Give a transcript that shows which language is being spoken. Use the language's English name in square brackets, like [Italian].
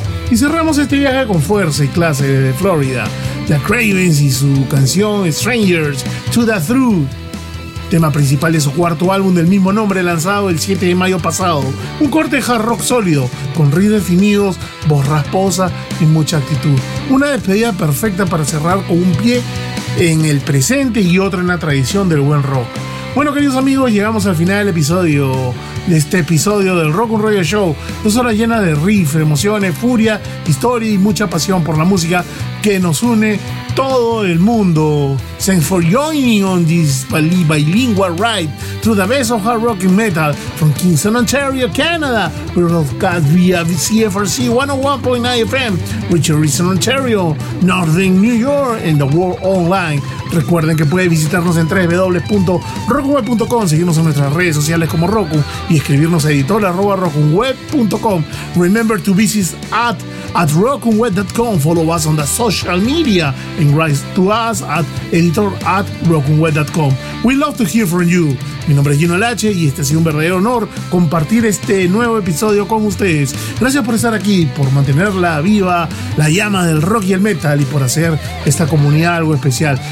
[Spanish] Y cerramos este viaje con fuerza y clase desde Florida, The Cravens y su canción Strangers to the Truth, tema principal de su cuarto álbum del mismo nombre lanzado el 7 de mayo pasado, un corte de hard rock sólido con riffs definidos, voz rasposa y mucha actitud, una despedida perfecta para cerrar con un pie en el presente y otro en la tradición del buen rock. Bueno, queridos amigos, llegamos al final del episodio, de este episodio del Rock'n Radio Show. 2 horas llenas de riff, emociones, furia, historia y mucha pasión por la música que nos une todo el mundo. [English] Thanks for joining on this bilingual ride through the best of hard rock and metal from Kingston, Ontario, Canada. We're broadcast via CFRC 101.9 FM, Richardson, Ontario, Northern New York, and the world online. Recuerden que pueden visitarnos en www.rockunweb.com, seguirnos en nuestras redes sociales como Roku y escribirnos a editor@rockunweb.com. Remember to visit at rockunweb.com. Follow us on the social media and write to us at editor@rockunweb.com. We love to hear from you. [Spanish] Mi nombre es Gino Lache y este ha sido un verdadero honor compartir este nuevo episodio con ustedes. Gracias por estar aquí, por mantenerla viva, la llama del rock y el metal, y por hacer esta comunidad algo especial.